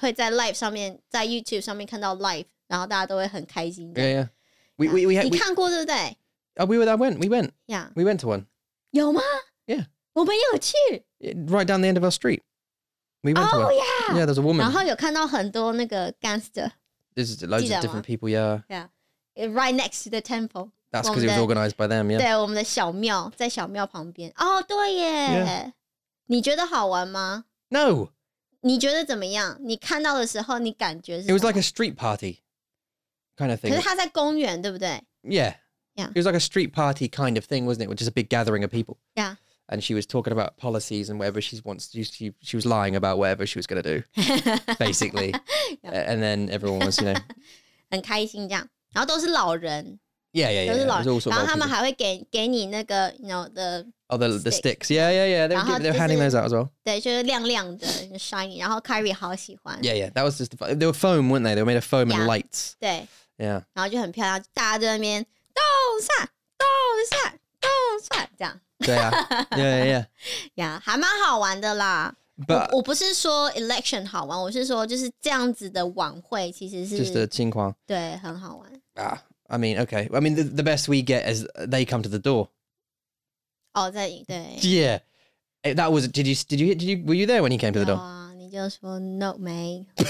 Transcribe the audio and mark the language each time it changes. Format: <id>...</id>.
<zh>会在 live 上面，在 YouTube 上面看到 live， 然后大家都会很开心。</zh> <en>Yeah, yeah. We had,</en> <zh>你看过对不对？</zh> <en>啊、oh, ，we were went we went yeah we went to one</en> <zh>有吗</zh> <en>？Yeah。</en> <zh>我们有去</zh> <en>right down the end of our street. We went oh, to yeah. Yeah, there's a woman.</en> <zh>然后有看到很多那个 gangster.</zh> <en>There's loads of different people, yeah. Yeah. Right next to the temple. That's because it was organized by them, yeah.</en> <zh>对，我们的小庙，在小庙旁边。哦、oh, ，对耶。</zh> <en>Yeah.</en> <zh>你觉得好玩吗</zh> <en>？No.</en> <zh>你觉得怎么样？你看到的时候，你感觉是</zh> <en>？It was like a street party kind of thing.</en> <zh>可是它在公园，对不对</zh> <en>？Yeah. Yeah. It was like a street party kind of thing, wasn't it? Which is a big gathering of people. Yeah. And she was talking about policies and whatever she wants to do. She was lying about whatever she was going to do, basically. yeah. And then everyone was, you know.</en> <zh>很开心这样。然后都是老人。</zh> <en>Yeah, yeah, yeah.</en> <zh>都是老人。然后他们还会给你那个,</zh> <en>you know, the Oh, the sticks. Yeah, yeah, yeah. They're handing those out as well.</en> <zh>对,就是亮亮的, shiny. 然后 Kyrie 好喜欢。</zh> <en>Yeah, yeah. That was just the fun. They were foam, weren't they? They were made of foam and lights.</en> <zh>对。</zh> <en>Yeah.</en> <zh>然后就很漂亮。大家在那边,动算,动算,动算,这样。</zh> <en>对啊 yeah, yeah, yeah.</en> <zh>Yeah, 还蛮好玩的啦。</zh> <en>But,</en> <zh>我不是说 election 好玩，我是说就是这样子的晚会其实是。</zh> <en>Just a 情况。</en> <zh>对，很好玩。</zh> <en>Ah, I mean, okay. I mean, the best we get is they come to the door.</en> <zh>Oh, 在对。</zh> <en>Yeah. That was, did you, were you there when he came to the door?</en> <zh>有啊，你就说</zh> <en>no, mate.</en>